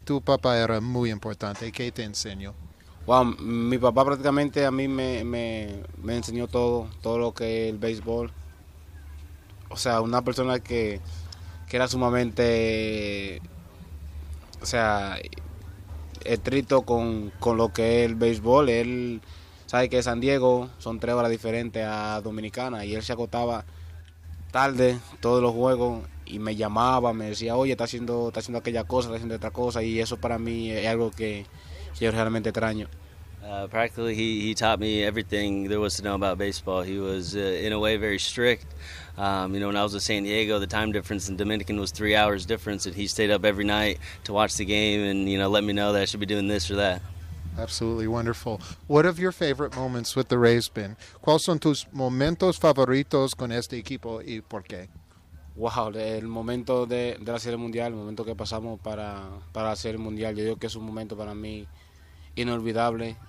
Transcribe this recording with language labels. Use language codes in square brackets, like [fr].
[es] Tu papá era muy importante. ¿Qué te enseñó? Wow, mi papá prácticamente a mí me enseñó todo lo que es el béisbol. O sea, una persona que era sumamente o sea, estricto con lo que es el béisbol. Él sabe que San Diego son 3 horas diferentes a Dominicana y él se acostaba tarde todos los juegos y me llamaba, me decía, oye, está haciendo aquella cosa, está haciendo otra cosa, y eso para mí es algo que yo realmente extraño. [en] Practically, he taught me everything there was to know about baseball. He was, in a way, very strict. You know, when I was in San Diego, the time difference in Dominican was 3 hours difference, and he stayed up every night to watch the game and, you know, let me know that I should be doing this or that. Absolutely wonderful. What have your favorite moments with the Rays been? [es] ¿Cuáles son tus momentos favoritos con este equipo y por qué? Wow, el momento de la Serie Mundial, el momento que pasamos para hacer el Mundial, yo digo que es un momento para mí inolvidable.